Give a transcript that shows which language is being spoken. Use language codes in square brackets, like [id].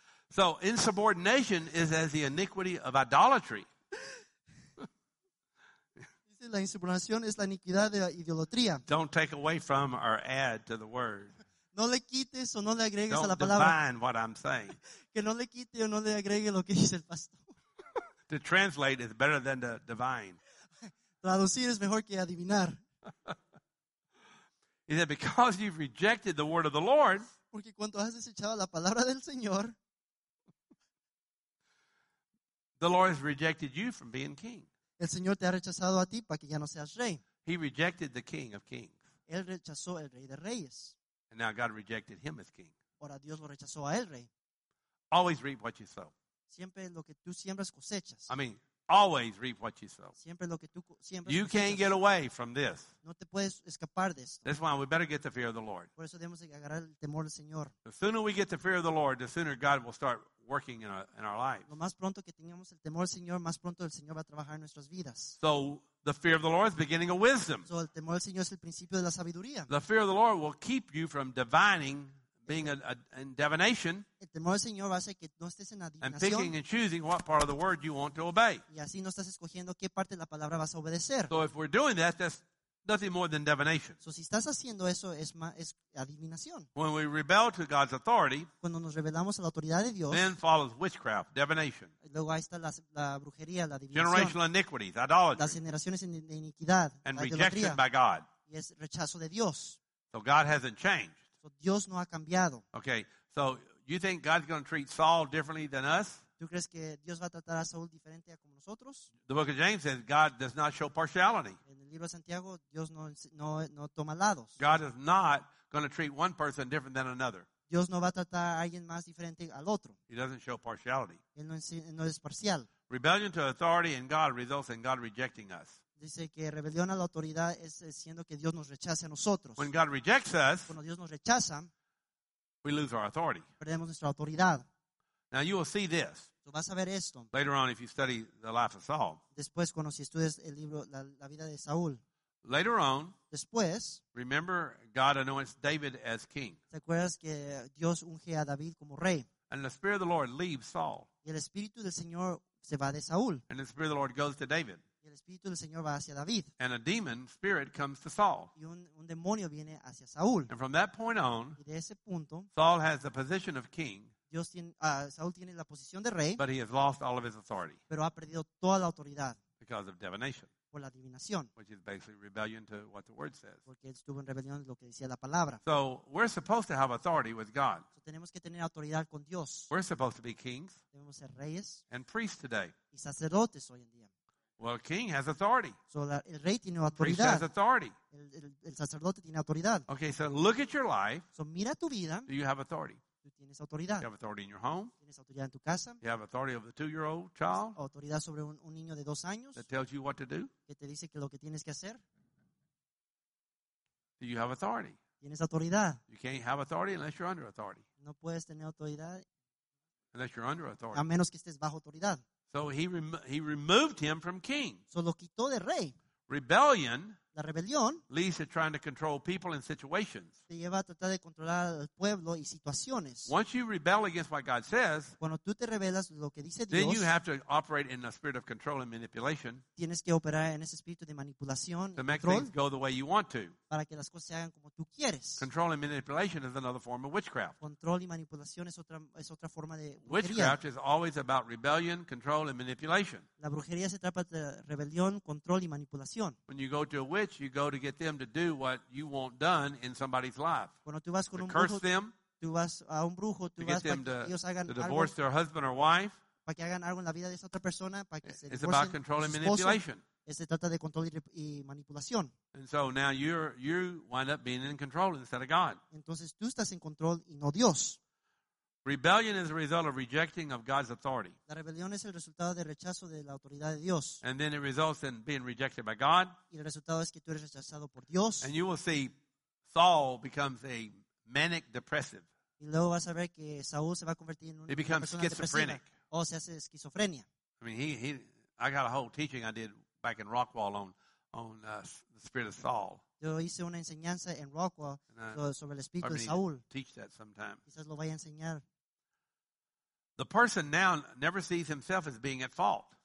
[en] So insubordination is as the iniquity of idolatry. [es] La insubordinación es la iniquidad de la idolatría. [en] Don't take away from or add to the word. [es] No le quites o no le agregues [en] Don't [es] a la palabra. [en] Define what I'm saying. [es] Que no le quite o no le agregue lo que dice el pastor. [en] To translate is better than to divine. [es] Traducir es mejor que adivinar. [en] He said, because you've rejected the word of the Lord. [es] Porque cuando has desechado la palabra del Señor. [en] The Lord has rejected you from being king. [es] El Señor te ha rechazado a ti para que ya no seas rey. [en] He rejected the king of kings. [es] Él rechazó el rey de reyes. [en] And now God rejected him as king. [es] Ahora Dios lo rechazó a él rey. [en] Always reap what you sow. [es] Siempre lo que tú siembras cosechas. [en] I mean, always reap what you sow. [es] Siempre lo que tú siembras. [en] You can't get away from this. [es] No te puedes escapar de esto. [en] That's why we better get the fear of the Lord. [es] Por eso debemos agarrar el temor del Señor. [en] The sooner we get the fear of the Lord, the sooner God will start working in our lives. [es] Lo más pronto que tengamos el temor del Señor, más pronto el Señor va a trabajar en nuestras vidas. [en] So the fear of the Lord is the beginning of wisdom. [es] So el temor del Señor es el principio de la sabiduría. [en] The fear of the Lord will keep you from divining. Being in divination [es] el temor del Señor va a hacer que no estés en adivinación, [en] and picking and choosing what part of the word you want to obey. [es] Y así no estás escogiendo qué parte de la palabra vas a obedecer. [en] So if we're doing that, that's nothing more than divination. [es] So si estás haciendo eso, es adivinación. [en] When we rebel to God's authority, [es] cuando nos rebelamos a la autoridad de Dios, [en] then follows witchcraft, divination. [es] Luego ahí está la brujería, la adivinación. [en] Generational iniquities, idolatry. [es] Las generaciones de iniquidad, [en] and rejection by God. [es] Y es rechazo de Dios. [en] So God hasn't changed. [es] Dios no ha cambiado. [en] Okay, so you think God's going to treat Saul differently than us? [es] ¿Tú crees que Dios va a tratar a Saul diferente a como nosotros? [en] The book of James says God does not show partiality. [es] En el libro de Santiago, Dios no toma lados. [en] God is not going to treat one person different than another. [es] Dios no va a tratar a alguien más diferente al otro. [en] He doesn't show partiality. [es] Él no es parcial. [en] Rebellion to authority in God results in God rejecting us. [es] Dice que rebelión a la autoridad es siendo que Dios nos rechace a nosotros. [en] When God rejects us, [es] cuando Dios nos rechaza, [en] we lose our authority. [es] Perdemos nuestra autoridad. [en] Now you will see this. [es] Tú vas a ver esto. [en] Later on, if you study the life of Saul. [es] Después, cuando si estudias el libro la vida de Saúl. [en] Later on. [es] Después. [en] Remember, God anoints David as king. [es] ¿Te acuerdas que Dios unge a David como rey? [en] And the Spirit of the Lord leaves Saul. [es] Y el Espíritu del Señor se va de Saúl. [en] And the Spirit of the Lord goes to David. [es] Y el espíritu del Señor va hacia David. [en] And a demon spirit comes to Saul. [es] Y un demonio viene hacia Saúl. [en] And from that point on, [es] y de ese punto, [en] Saul has the position of king. [es] Dios tiene, Saúl tiene la posición de rey. [en] But he has lost all of his authority. [es] Pero ha perdido toda la autoridad. [en] Because of divination. [es] Por la adivinación. [en] Which is basically rebellion to what the word says. [es] Porque estuvo en rebelión de lo que decía la palabra. [en] So we're supposed to have authority with God. [es] So tenemos que tener autoridad con Dios. [en] We're supposed to be kings. [es] Debemos ser reyes. [en] And priests today. [es] Y sacerdotes hoy en día. [en] Well, a king has authority. [es] So el rey tiene autoridad. [en] Priest has authority. [es] El sacerdote tiene autoridad. [en] Okay, so look at your life. [es] So mira tu vida. [en] Do you have authority? [es] Tú tienes autoridad. [en] You have authority in your home. [es] Tienes autoridad en tu casa. [en] You have authority over the 2-year-old child. [es] Autoridad sobre un niño de dos años. [en] That tells you what to do. [es] Que te dice que lo que tienes que hacer. [en] Do you have authority? [es] Tienes autoridad. [en] You can't have authority unless you're under authority. [es] No puedes tener autoridad. [en] Unless you're under authority. [es] A menos que estés bajo autoridad. [en] So he removed him from king. [es] So lo quitó de rey. [en] Rebellion. [es] La rebelión. [en] Leads to trying to control people and situations. [es] Te lleva a tratar de controlar al pueblo y situaciones. [en] Once you rebel against what God says, [es] cuando tú te rebelas lo que dice Dios, [en] then you have to operate in a spirit of control and manipulation. [es] Tienes que operar en ese espíritu de manipulación y control. [en] To make things go the way you want to. [es] Para que las cosas se hagan como tú quieres. [en] Control and manipulation is another form of witchcraft. [es] Control y manipulación es otra forma de brujería. [en] Witchcraft is always about rebellion, control, and manipulation. [es] La brujería se trata de rebelión, control y manipulación. [en] When you go to a witch, you go to get them to do what you want done in somebody's life. [es] Cuando tú vas con [en] to [es] un [en] curse [es] brujo, [en] them. [es] Tú vas a un brujo, tú [en] to [es] vas [en] get them [es] para que ellos hagan [en] to divorce [es] algo, [en] their husband or wife. [es] Para que hagan algo en la vida de esa otra persona, para que [en] it's about control and manipulation. [es] Se trata de control y manipulación. [en] And so now you wind up being in control instead of God. [es] Entonces tú estás en control y no Dios. [en] Rebellion is a result of rejecting of God's authority. [es] La rebelión es el resultado del rechazo de la autoridad de Dios. [en] And then it results in being rejected by God. [es] Y el resultado es que tú eres rechazado por Dios. [en] And you will see Saul becomes a manic depressive. [es] Y luego vas a ver que Saúl se va a convertir en una persona [en] schizophrenic. [es] O se hace esquizofrenia. [en] I mean, I got a whole teaching I did back in Rockwall on the spirit of Saul. [es] Yo hice una enseñanza en Rockwall sobre el espíritu de Saúl. [en] Teach that sometime. [es] Quizás lo vaya a enseñar. [en] The person now never sees himself as being at fault.